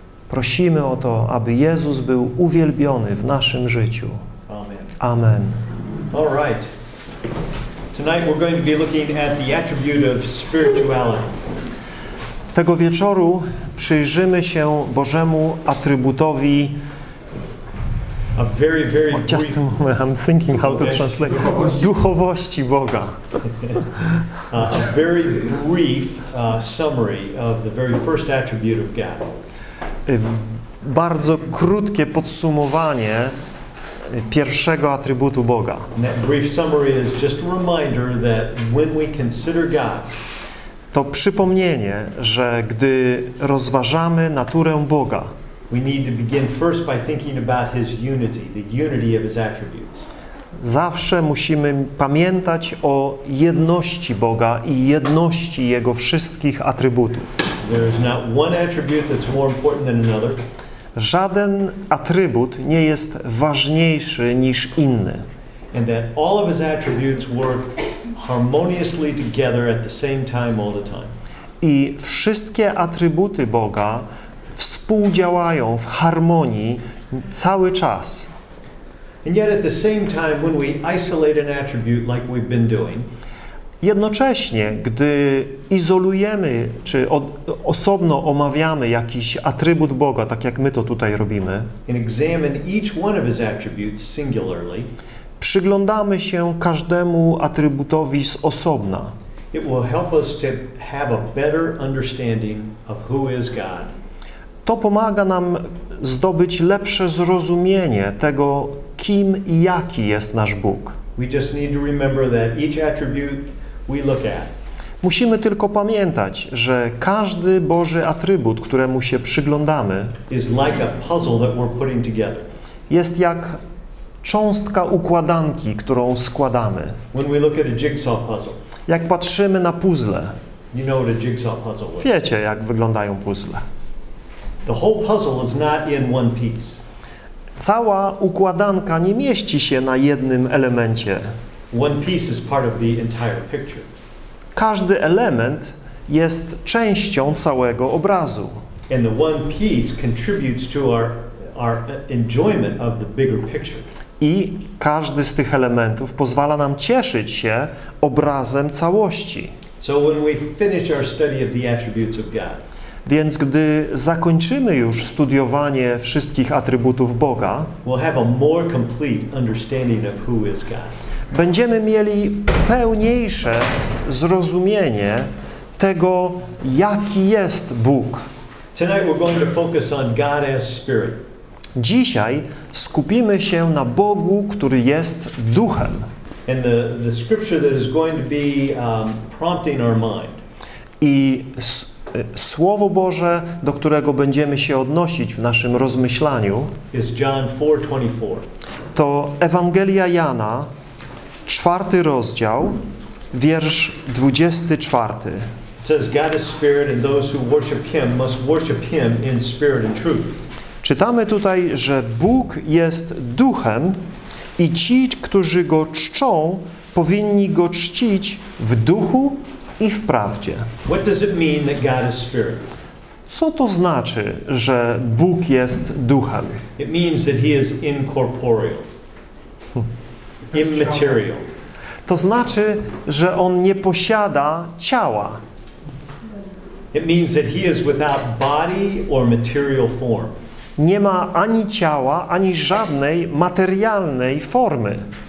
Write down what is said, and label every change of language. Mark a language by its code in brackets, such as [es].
[pl] Prosimy o to, aby Jezus był uwielbiony w naszym życiu. Amen. Amen. [en] All right. Tonight we're going to be looking at the attribute of spirituality. [pl] Tego wieczoru przyjrzymy się Bożemu atrybutowi. [en] A very, very just a moment, I'm thinking how to translate. [pl] Duchowości Boga. [en] A very brief summary of the very first attribute of God. [pl] Bardzo krótkie podsumowanie pierwszego atrybutu Boga. [en] And that brief summary is just a reminder that when we consider God. [pl] To przypomnienie, że gdy rozważamy naturę Boga. [en] We need to begin first by thinking about his unity, the unity of his attributes. [pl] Zawsze musimy pamiętać o jedności Boga i jedności jego wszystkich atrybutów. [en] There is not one attribute that's more important than another. [pl] Żaden atrybut nie jest ważniejszy niż inny. [en] And that all of his attributes work harmoniously together at the same time all the time. [pl] I wszystkie atrybuty Boga współdziałają w harmonii cały czas. [en] And yet at the same time when we isolate an attribute like we've been doing, [pl] jednocześnie gdy izolujemy czy osobno omawiamy jakiś atrybut Boga, tak jak my to tutaj robimy, [en] and examine each one of his attributes singularly, [pl] przyglądamy się każdemu atrybutowi z osobna. [en] It will help us to have a better understanding of who is God. [pl] To pomaga nam zdobyć lepsze zrozumienie tego, kim i jaki jest nasz Bóg. [en] We just need to remember that each attribute we look at. [pl] Musimy tylko pamiętać, że każdy Boży atrybut, któremu się przyglądamy, [en] is like a puzzle that we're putting together. [pl] Jest jak cząstka układanki, którą składamy. [en] When we look at a jigsaw puzzle. [pl] Jak patrzymy na puzzle. [en] You know what a jigsaw puzzle is. [pl] Wiecie, jak wyglądają puzzle. [en] The whole puzzle is not in one piece. [pl] Cała układanka nie mieści się na jednym elemencie. [en] One piece is part of the entire picture. [pl] Każdy element jest częścią całego obrazu. [en] And the one piece contributes to our enjoyment of the bigger picture. [pl] I każdy z tych elementów pozwala nam cieszyć się obrazem całości. [en] So when we finish our study of the attributes of God, [pl] więc gdy zakończymy już studiowanie wszystkich atrybutów Boga, [en] we'll have a more complete understanding of who is God. [pl] Będziemy mieli pełniejsze zrozumienie tego, jaki jest Bóg. [en] Tonight we're going to focus on God as Spirit. [pl] Dzisiaj skupimy się na Bogu, który jest Duchem. [en] And the scripture that is going to be prompting our mind. [pl] I Słowo Boże, do którego będziemy się odnosić w naszym rozmyślaniu, [en] is John 4:24. [pl] To Ewangelia Jana, 4 rozdział, wiersz 24. [en] It says God is spirit and those who worship him must worship him in spirit and truth. [pl] Czytamy tutaj, że Bóg jest duchem i ci, którzy go czczą, powinni go czcić w duchu i w prawdzie. [en] What does it mean that God is spirit? [pl] Co to znaczy, że Bóg jest duchem? [en] It means that he is incorporeal. Immaterial. [pl] To znaczy, że on nie posiada ciała. [en] It means that he is without body or material form. [pl] Nie ma ani ciała, ani żadnej materialnej formy.